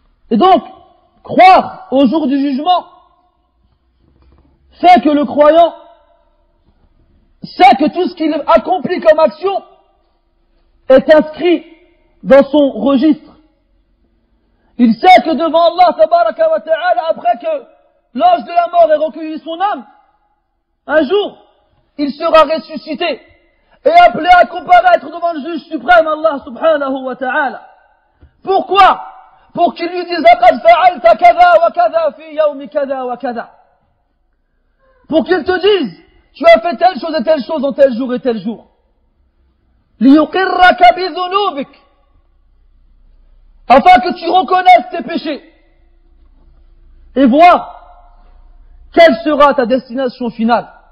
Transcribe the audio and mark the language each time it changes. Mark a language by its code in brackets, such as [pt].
[fr] Et donc, croire au jour du jugement fait que le croyant sait que tout ce qu'il accomplit comme action est inscrit dans son registre. Il sait que devant Allah, tabaraka wa ta'ala, après que l'ange de la mort ait recueilli son âme, un jour, il sera ressuscité et appelé à comparaître devant le juge suprême, Allah subhanahu wa ta'ala. Pourquoi? Pour qu'il lui dise, [ar] لَقَدْ فَعَلْتَ كَذَا وَكَذَا فِي يَوْمِ كَذَا وَكَذَا. [fr] Pour qu'il te dise, tu as fait telle chose et telle chose en tel jour et tel jour. [ar] لِيُقِرَّكَ بِذُنُوبِكَ. [fr] Afin que tu reconnaisses tes péchés. Et vois, quelle sera ta destination finale.